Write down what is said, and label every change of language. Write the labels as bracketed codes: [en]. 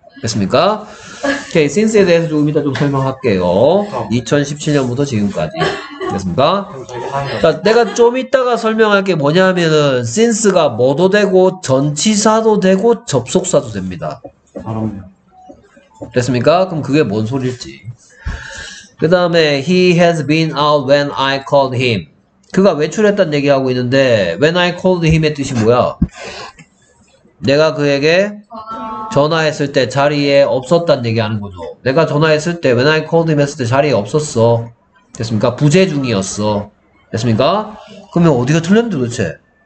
[ko] 됐습니까? 오케이. since에 대해서 조금 이따 좀 설명할게요. 2017년부터 지금까지. 됐습니까? 자, 내가 좀 이따가 설명할 게 뭐냐면은 since가 뭐도 되고 전치사도 되고 접속사도 됩니다. 됐습니까? 그럼 그게 뭔 소리일지. [en] 그 다음에 he has been out when I called him. [ko] 그가 외출했단 얘기하고 있는데 when I called him 의 뜻이 뭐야? 내가 그에게 전화했을 때 자리에 없었단 얘기하는 거죠. 내가 전화했을 때 when I called him 했을 때 자리에 없었어. 됐습니까? 부재 중이었어. 됐습니까? 그러면 어디가 틀렸는데 도대체?